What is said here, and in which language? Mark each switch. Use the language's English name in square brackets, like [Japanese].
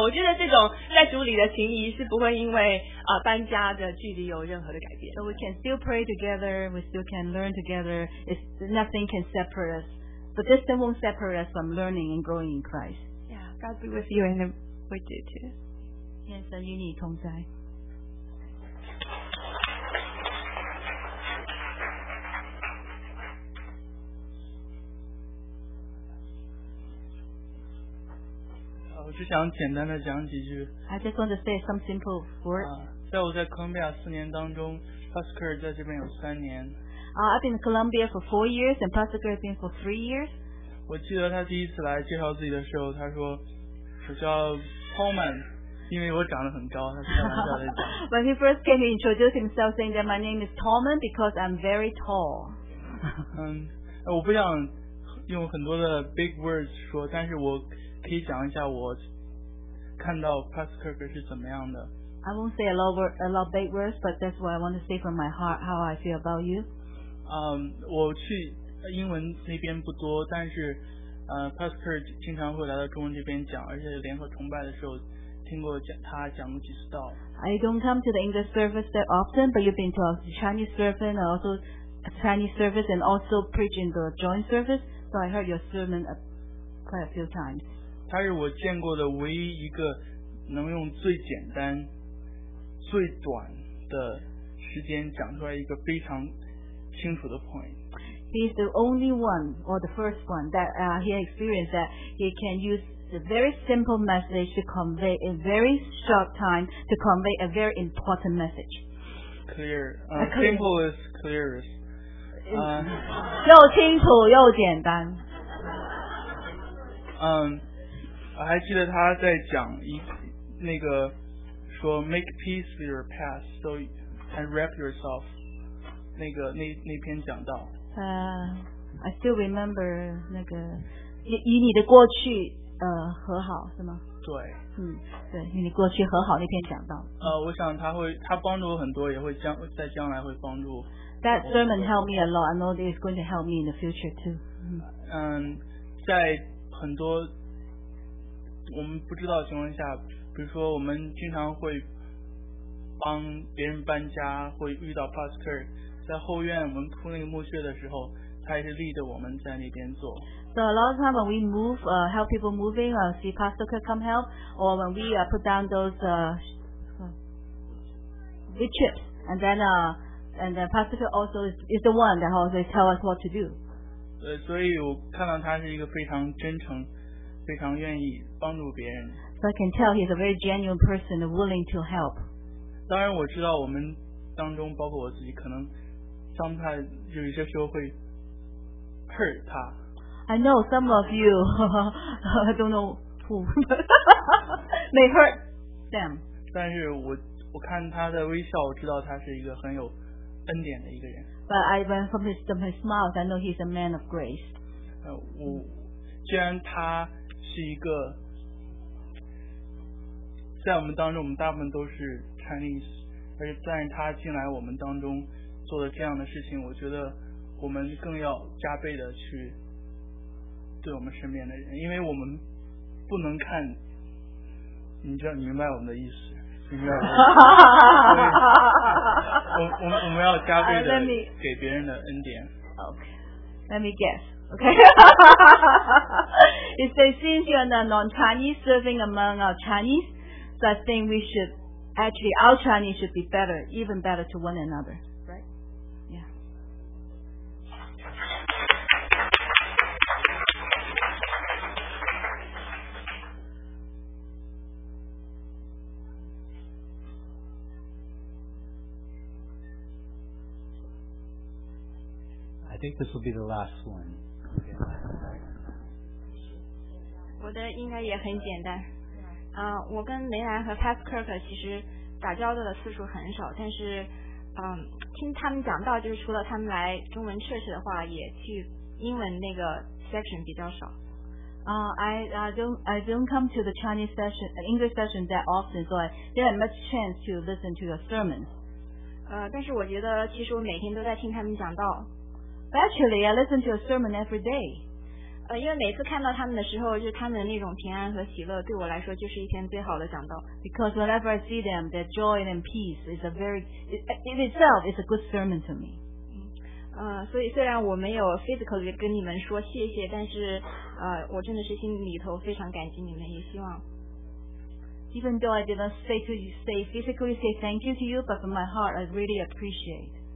[Chinese] 我觉得这种在主里的情谊是不会因为搬家的距离有任何的改变。 [English] So we can still pray together. We still can learn together. It's nothing can separate us. The distance won't separate us from learning and growing in Christ. Yeah, God be with you and with you too. Yes, and you need 同在。 [Chinese] 我是想简单的讲几句。 [English] I just want to say some simple words. [Chinese] 在我在哥伦比亚四年当中 ，Pastor 在这边有三年。 [English] I've been in Colombia for 4 years, and Pastor has been for 3 years. [Chinese] 我记得他第一次来介绍自己的时候，他说我叫 Pullman， 因为我长得很高，他是开玩笑的。 [English] When he first came, he introduced himself saying that my name is Pullman because I'm very tall. [Chinese] 我不想用很多的 big words 说，但是我。可以讲一下我看到 Pastor 是怎么样的。 [English] I won't say a lot of big words, but that's what I want to say from my heart, how I feel about you. [Chinese] 我去英文那边不多，但是Pastor 经常会来到中文这边讲，而且联合崇拜的时候听过他讲过几次道。 [English] I don't come to the English service that often, but you've been to our Chinese service and also Chinese service and also preach in the joint service, so I heard your sermon quite a few times. [Chinese] 他是我见过的唯一一个能用最简单最短的时间讲出来一个非常清楚的 point. [English] He's the only one or the first one that he experienced that he can use a very simple message to convey a very short time to convey a very important message. Clear. Simple is clearest. [Chinese] 又清楚又简单。我还记得他在讲一那个说 make peace with your past so and wrap yourself 那篇讲道。 I still remember 那个以你的过去和好是吗？对。对，以你过去和好那篇讲道。我想他会他帮助我很多，也会将在将来会帮助。 [English] That sermon helped me a lot. I know that it's going to help me in the future too. [Chinese] 在很多。我们不知道的情况下，比如说我们经常会帮别人搬家，会遇到 Pastor 在后院我们铺那个木屑的时候，他也是立着我们在那边做。 [English] So a lot of time when we move, help people moving, I'll see Pastor could come help, or when we put down those wood chips, and then Pastor could also is the one that also tell us what to do. [Chinese] 对，所以我看到他是一个非常真诚。非常愿意帮助别人。 [English] So I can tell he's a very genuine person, willing to help. [Chinese] 当然我知道我们当中包括我自己可能 sometimes 有一些时候会 hurt 他。 I know some of you, I don't know who, may hurt them. 但是我看他的微笑，我知道他是一个很有恩典的一个人。 But I went from his smile, I know he's a man of grace. 我既然他是一个在我们当中我们大部分都是 Chinese 而且但是他进来我们当中做了这样的事情我觉得我们更要加倍的去对我们身边的人因为我们不能看你知道你明白我们的意思明白我们要加倍的给别人的恩典 [English] Okay, let me guess. Okay. He says, since you are not non-Chinese serving among our Chinese, so I think we should, actually, our Chinese should be better, even better to one another. Right? think this will be the last one. [Chinese] 我的应该也很简单。我跟雷兰和Pat Kirk其实打交道的次数很少，但是听他们讲到，就是除了他们来中文测试的话，也去英文那个 section 比较少。 [English] I don't come to the Chinese session, English session that often, so I didn't have much chance to listen to your sermons. [Chinese] 但是我觉得其实我每天都在听他们讲道。 [English] Actually, I listen to your sermon every day. [Chinese] 因为每次看到他们的时候，就是他们的那种平安和喜乐，对我来说就是一篇最好的讲道。 [English] Because whenever I see them, their joy and peace is a very, in itself, is a good sermon to me. [Chinese] 所以虽然我没有 physically 跟你们说谢谢，但是我真的是心里头非常感激你们，也希望。 [English] Even though I did not physically say thank you to you, but from my heart, I really appreciate.